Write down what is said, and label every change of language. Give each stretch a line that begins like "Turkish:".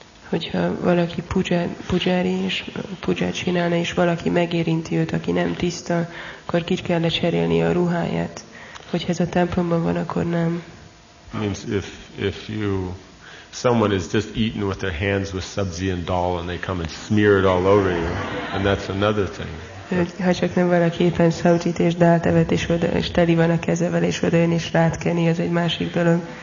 Hungarian: Hogyha valaki pujári és puját csinálna, és valaki megérinti őt, aki nem tiszta, akkor ki kellene cserélni a ruháját. Hogyha ez a templomban van, akkor nem.
English: Means if someone is just eaten with their hands with sabzi and dal, and they come and smear it all over you, and that's another thing.
Hungarian: Ha csak nem valaki éppen szabzit és dalt evett, és teli van a kezevel, és oda jön, és rád keni, az egy másik dolog.